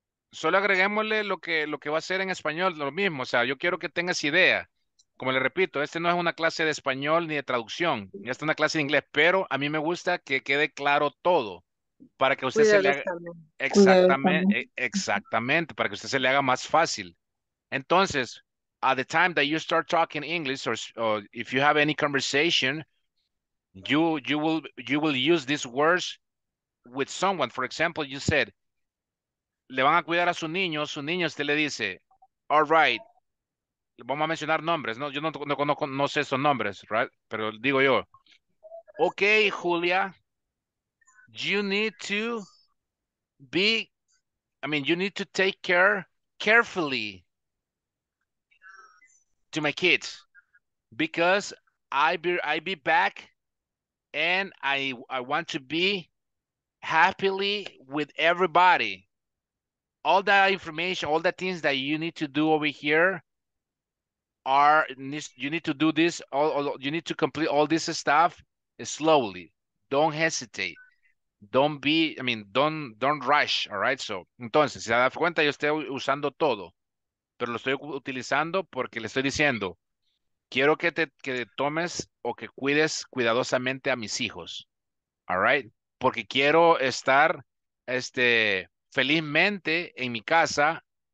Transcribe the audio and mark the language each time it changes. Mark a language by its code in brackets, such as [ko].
[es] Solo agreguémosle lo que va a ser en español, lo mismo. O sea, yo quiero que tengas idea. Como le repito, este no es una clase de español ni de traducción. Esta es una clase de inglés, pero a mí me gusta que quede claro todo para que usted se le haga... Exactamente, para que usted se le haga más fácil. [en] Entonces, at the time that you start talking English or if you have any conversation, you will use these words with someone. [es] For example, you said, le van a cuidar a su niño usted le dice, all right, vamos a mencionar nombres, no, yo no sé esos nombres, right, pero digo yo, okay, Julia, you need to take care carefully [en] to my kids, because I be back, and I want to be happily with everybody. All that information, all the things that you need to do over here are, you need to do this, you need to complete all this stuff slowly. Don't hesitate. Don't rush, all right? [es] So, entonces, si se da cuenta, yo estoy usando todo, pero lo estoy utilizando porque le estoy diciendo, quiero que te tomes o que cuides cuidadosamente a mis hijos, all right? Porque quiero estar felizmente en mi casa.